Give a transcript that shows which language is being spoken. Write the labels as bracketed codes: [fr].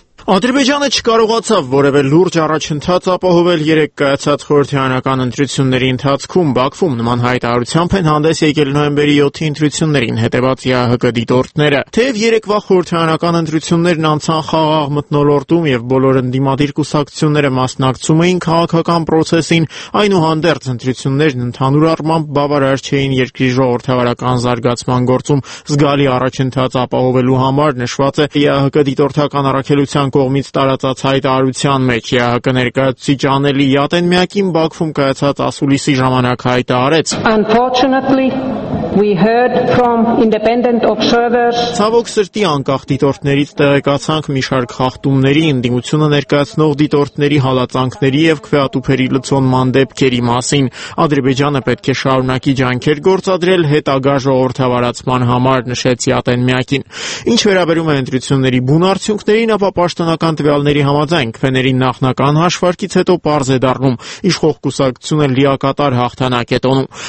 [hy] Ադրբեջանը չկարողացավ որևէ լուրջ առաջընթաց ապահովել երեք կայացած խորհրդարանական ընտրությունների ընթացքում։ Բաքվում նման հայտարարությամբ են հանդես եկել նոյեմբերի 7-ի ընտրություններին հետևած ՀՀԿ դիտորդները։ Թեև երեկվա խորհրդարանական ընտրություններն անցան խաղաղ մթնոլորտում և բոլոր ընդդիմադիր կուսակցությունները մասնակցում էին քաղաքական պրոցեսին, այնուհանդերձ ընտրություններն ընդհանուր առմամբ բավարար չէին երկրի ժողովրդավարական զարգացման գործում զգալի առաջընթաց ապահովելու համար, նշված է ՀՀԿ դիտորդական առաքելությունը։ Կողմից տարածած հայտարարության մեջ ՀՀԿ-ի ներկայացուցիչ Անելի Յատենմյակին Բաքվում կայացած ասուլիսի ժամանակ հայտարարեց. [en] Unfortunately, we heard from independent observers. [hy] Ցավոք սրտի անկախ դիտորդներից տեղեկացանք մի շարք խախտումների, ընդդիմությունը ներկայացնող դիտորդների հալածանքների և քվեատուփերի լցոնման դեպքերի մասին։ Ադրբեջանը պետք է շարունակի ջանքեր գործադրել հետագա ժողովրդավարացման համար, նշեց Յատենմյակին։ Ինչ վերաբերում է ընտրությունների բուն արդյունքներին, պաշտոնական տվյալների համաձայն քվեների նախնական հաշվարկից հետո պարզ է դառնում իշխող կուսակցությունը լիակատար հաղթանակ է տոնում։